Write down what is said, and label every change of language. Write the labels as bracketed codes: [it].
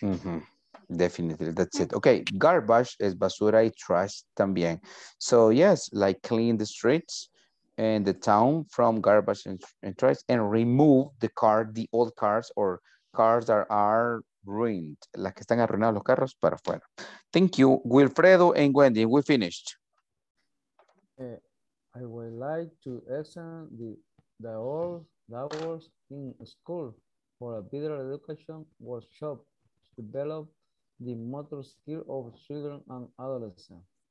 [en] Mm-hmm. Definitely, that's it. Okay, [es] garbage es basura y trash también. [en] So yes, like clean the streets and the town from garbage and trash and remove the old cars or cars that are ruined. [es] Las que están arruinados los carros para afuera. [en] Thank you, Wilfredo and Wendy, we finished. I would like to extend the old in school for a better education workshop to develop the motor skill of children and adolescents.